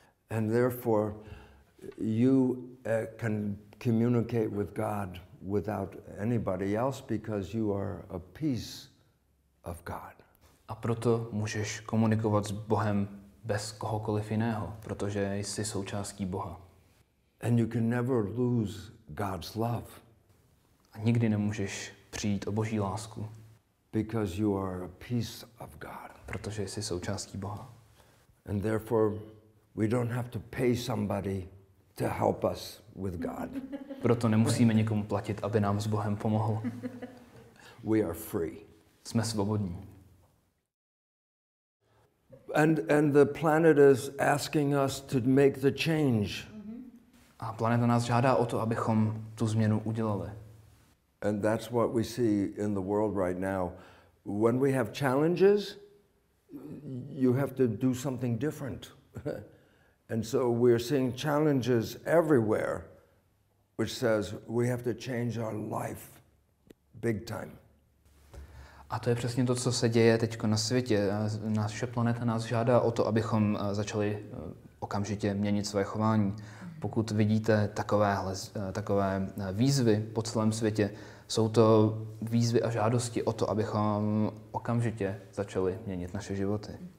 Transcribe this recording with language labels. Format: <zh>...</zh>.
<en>And therefore you can communicate with God without anybody else because you are a piece of God.</en> <cs>A proto můžeš komunikovat s Bohem bez kohokoliv jiného, protože jsi součástí Boha.</cs> <en>And you can never lose God's love.</en> <cs>A nikdy nemůžeš přijít o Boží lásku.</cs> <en>Because you are a piece of God.</en> <cs>Protože jsi součástí Boha.</cs> <en>And therefore we don't have to pay somebody to help us with God.</en> <cs>Proto nemusíme nikomu platit, aby nám s Bohem pomohl.</cs> <en>We are free.</en> <cs>Jsme svobodní.</cs> <en>And the planet is asking us to make the change.</en> <cs>A planeta nás žádá o to, abychom tu změnu udělali.</cs> <en>And that's what we see in the world right now. When we have challenges, you have to do something different. And so we're seeing challenges everywhere, which says we have to change our life big time.</en> <cs>A to je přesně to, co se děje teďko na světě. Naše planeta nás žádá o to, abychom začali okamžitě měnit své chování. Pokud vidíte takové výzvy po celém světě, jsou to výzvy a žádosti o to, abychom okamžitě začali měnit naše životy.</cs>